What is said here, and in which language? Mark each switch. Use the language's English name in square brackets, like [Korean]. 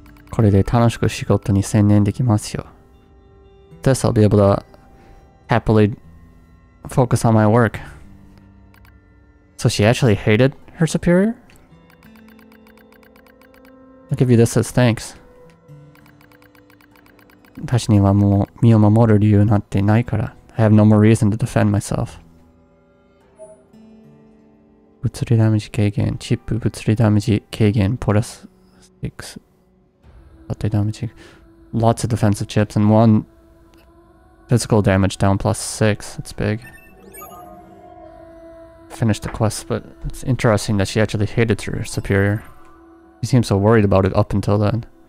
[Japanese] これで楽しく仕事に専念できますよ。 [English] This I'll be able to happily focus on my work. So she actually hated her superior? I'll give you this as thanks. [Japanese] たちにはもう身を守る理由なんてないから。 [English] I have no more reason to defend myself. [Japanese] 物理ダメージ軽減、チップ物理ダメージ軽減、プラス6。縦ダメージ。 [English] Lots of defensive chips and one physical damage down plus 6. That's big. Finished the quest, but it's interesting that she actually hated her superior. She seemed so worried about it up until then.